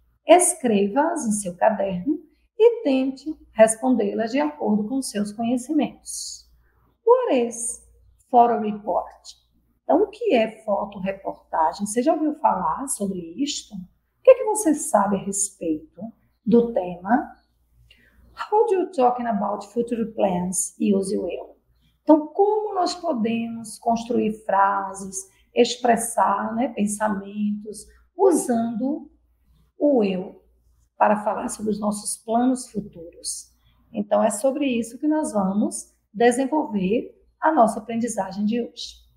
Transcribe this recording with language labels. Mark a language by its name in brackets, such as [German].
[Portuguese] Escreva-as em seu caderno e tente respondê-las de acordo com seus conhecimentos. [English] What is photo report? [Portuguese] Então, o que é fotoreportagem? Você já ouviu falar sobre isto? O que é que você sabe a respeito do tema? [English] How do you talk about future plans use will? [Portuguese] Então, como nós podemos construir frases, expressar, né, pensamentos usando o eu para falar sobre os nossos planos futuros? Então, é sobre isso que nós vamos desenvolver a nossa aprendizagem de hoje.